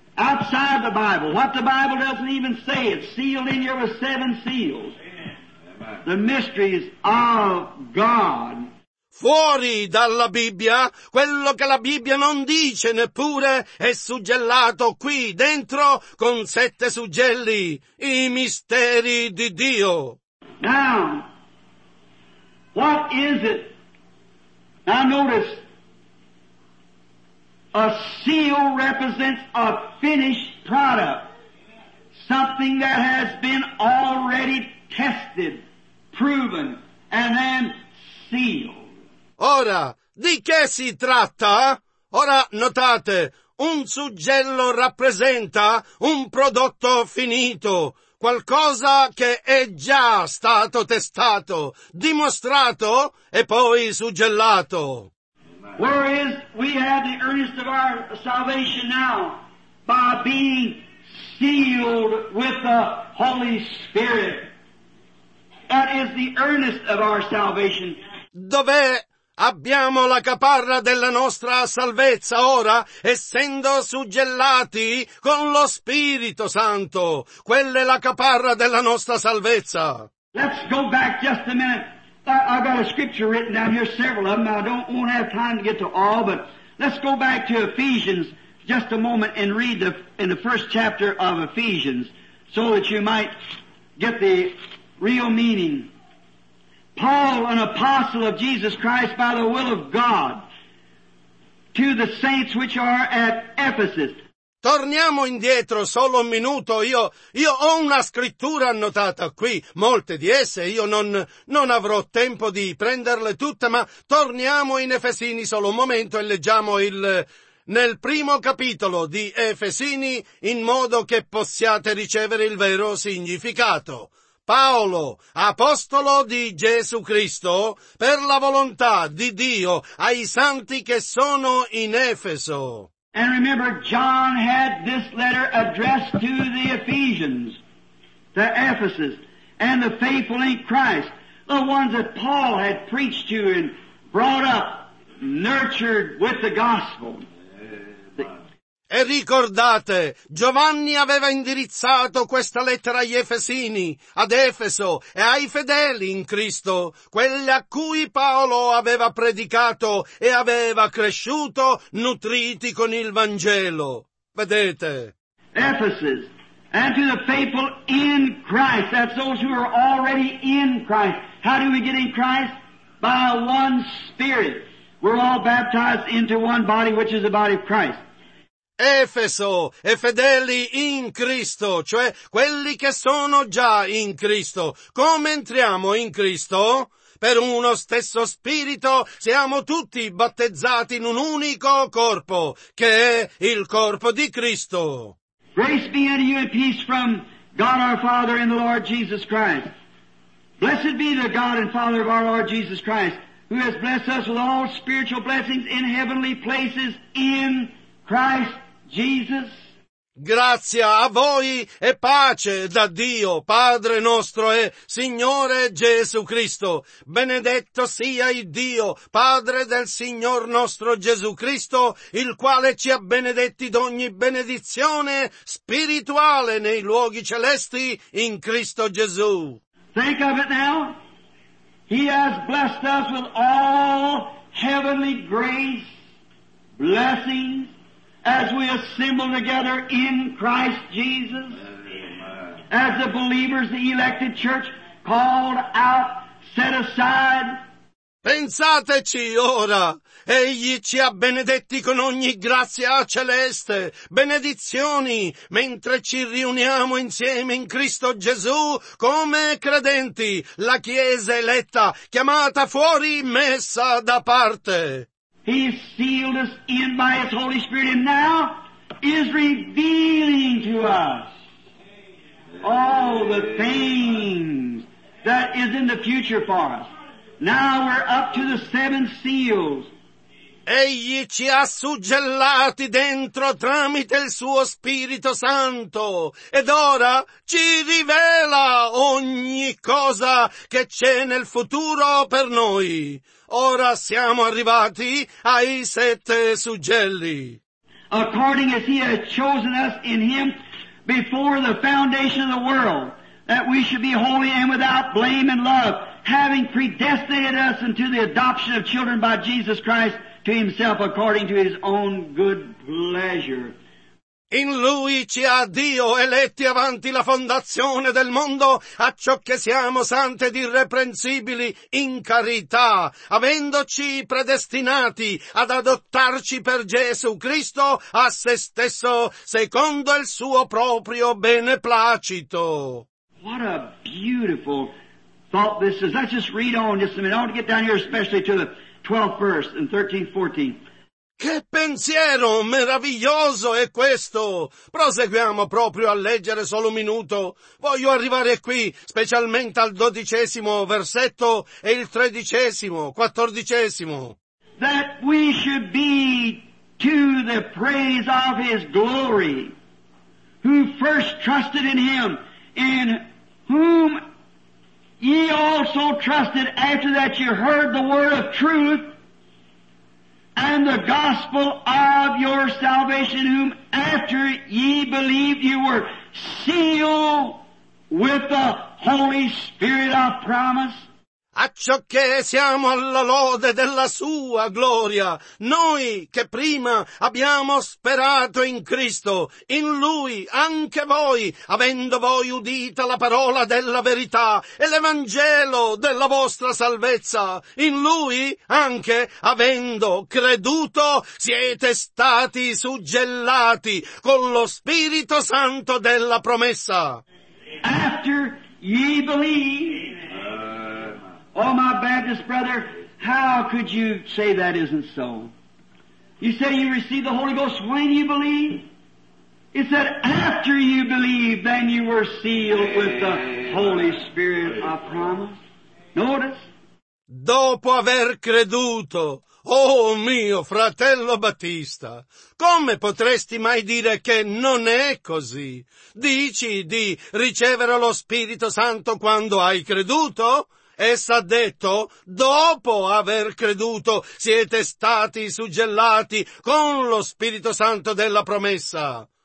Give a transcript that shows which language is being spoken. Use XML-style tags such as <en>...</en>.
<en>Outside the Bible, what the Bible doesn't even say, it's sealed in here with seven seals. The mysteries of God.</en> <it>Fuori dalla Bibbia, quello che la Bibbia non dice neppure è suggellato qui dentro con sette suggelli, i misteri di Dio.</it> <en>Now, what is it? Now notice, a seal represents a finished product, something that has been already tested, proven, and then sealed.</en> <it>Ora, di che si tratta? Ora notate, un suggello rappresenta un prodotto finito, qualcosa che è già stato testato, dimostrato e poi suggellato.</it> <en>Where is we have the earnest of our salvation now by being sealed with the Holy Spirit. That is the earnest of our salvation.</en> <it>Dov'è abbiamo la caparra della nostra salvezza ora, essendo suggellati con lo Spirito Santo. Quella è la caparra della nostra salvezza.</it> <en>Let's go back just a minute. I've got a scripture written down here, several of them. I don't want to have time to get to all, but let's go back to Ephesians just a moment and read in the first chapter of Ephesians so that you might get the real meaning. Paul, an apostle of Jesus Christ by the will of God, to the saints which are at Ephesus.</en> <it>Torniamo indietro solo un minuto, io ho una scrittura annotata qui, molte di esse, io non avrò tempo di prenderle tutte, ma torniamo in Efesini solo un momento e leggiamo nel primo capitolo di Efesini in modo che possiate ricevere il vero significato. Paolo, apostolo di Gesù Cristo, per la volontà di Dio, ai santi che sono in Efeso.</it> <en>And remember, John had this letter addressed to the Ephesians, the Ephesus, and the faithful in Christ, the ones that Paul had preached to and brought up, nurtured with the gospel.</en> <it>E ricordate, Giovanni aveva indirizzato questa lettera agli Efesini, ad Efeso e ai fedeli in Cristo, quelli a cui Paolo aveva predicato e aveva cresciuto, nutriti con il Vangelo. Vedete?</it> <en>Ephesus, and to the faithful in Christ, that's those who are already in Christ. How do we get in Christ? By one Spirit. We're all baptized into one body, which is the body of Christ.</en> <it>Efeso e fedeli in Cristo, cioè quelli che sono già in Cristo. Come entriamo in Cristo? Per uno stesso Spirito siamo tutti battezzati in un unico corpo, che è il corpo di Cristo.</it> <en>Grace be unto you and peace from God our Father and the Lord Jesus Christ. Blessed be the God and Father of our Lord Jesus Christ, who has blessed us with all spiritual blessings in heavenly places in Christ. Jesus.</en> <it>Grazia a voi e pace da Dio, Padre nostro e Signore Gesù Cristo. Benedetto sia il Dio, Padre del Signor nostro Gesù Cristo, il quale ci ha benedetti d'ogni benedizione spirituale nei luoghi celesti in Cristo Gesù.</it> <en>Think of it now. He has blessed us with all heavenly grace, blessings, as we assemble together in Christ Jesus, as the believers, the elected church, called out, set aside.</en> <it>Pensateci ora, egli ci ha benedetti con ogni grazia celeste, benedizioni, mentre ci riuniamo insieme in Cristo Gesù come credenti, la Chiesa eletta, chiamata fuori, messa da parte.</it> <en>He sealed us in by His Holy Spirit and now is revealing to us all the things that is in the future for us. Now we're up to the seven seals.</en> <it>Egli ci ha suggellati dentro tramite il suo Spirito Santo ed ora ci rivela ogni cosa che c'è nel futuro per noi. Ora siamo arrivati ai sette suggelli.</it> <en>According as He has chosen us in Him before the foundation of the world, that we should be holy and without blame in love, having predestinated us unto the adoption of children by Jesus Christ to Himself according to His own good pleasure.</en> <it>In Lui ci ha Dio eletti avanti la fondazione del mondo, a ciò che siamo santi ed irreprensibili in carità, avendoci predestinati ad adottarci per Gesù Cristo a se stesso, secondo il suo proprio beneplacito.</it> <en>What a beautiful thought this is. Let's just read on just a minute. I want to get down here especially to the 12th verse and 13th, 14th.</en> <it>Che pensiero meraviglioso è questo! Proseguiamo proprio a leggere solo un minuto. Voglio arrivare qui, specialmente al 12° versetto e il 13°, 14°.</it> <en>That we should be to the praise of His glory, who first trusted in Him, in whom ye also trusted after that you heard the word of truth, and the gospel of your salvation, whom after ye believed you were sealed with the Holy Spirit of promise.</en> <it>Accioché siamo alla lode della sua gloria, noi che prima abbiamo sperato in Cristo, in Lui anche voi, avendo voi udita la parola della verità e l'Evangelo della vostra salvezza, in Lui anche avendo creduto siete stati suggellati con lo Spirito Santo della promessa.</it> <en>After ye believe. Oh, my Baptist brother, how could you say that isn't so? You say you received the Holy Ghost when you believe? It's that after you believe, then you were sealed with the Holy Spirit of promise. Notice.</en> <it>Dopo aver creduto, oh mio fratello Battista, come potresti mai dire che non è così? Dici di ricevere lo Spirito Santo quando hai creduto? Essa ha detto, dopo aver creduto, siete stati suggellati con lo Spirito Santo della promessa.</it>